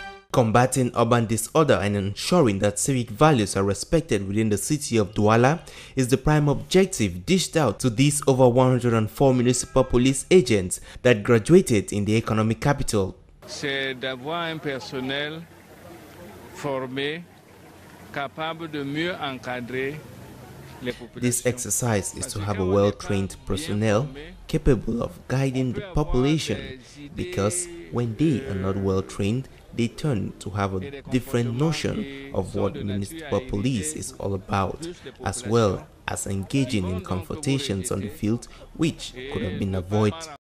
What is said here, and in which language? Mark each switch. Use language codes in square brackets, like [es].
[en] Combating urban disorder and ensuring that civic values are respected within the city of Douala is the prime objective dished out to these over 104 municipal police agents that graduated in the economic capital. [fr] C'est d'avoir un personnel formé capable de mieux encadrer les populations. [en] This exercise is to have a well-trained personnel capable of guiding the population, because when they are not well-trained, they turn to have a different notion of what municipal police is all about, as well as engaging in confrontations on the field, which could have been avoided.